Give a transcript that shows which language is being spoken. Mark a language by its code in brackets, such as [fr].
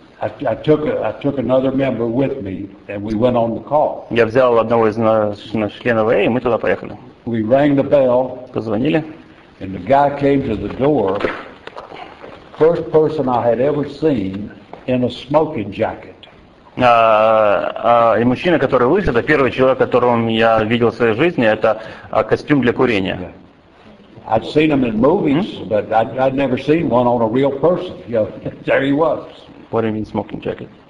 [en] I took another member with me, and we went on the call. [ru] Я взял одного из наших членов, и мы туда поехали. [en] We rang the bell. [ru] Позвонили. [en] And the guy came to the door. First person I had ever seen in a smoking jacket. [ru] И мужчина, который вышел, это первый человек, которого я видел в своей жизни, это костюм для курения. [en] I'd seen him in movies, but I'd never seen one on a real person. You know, there he was. What do you mean, smoking jacket?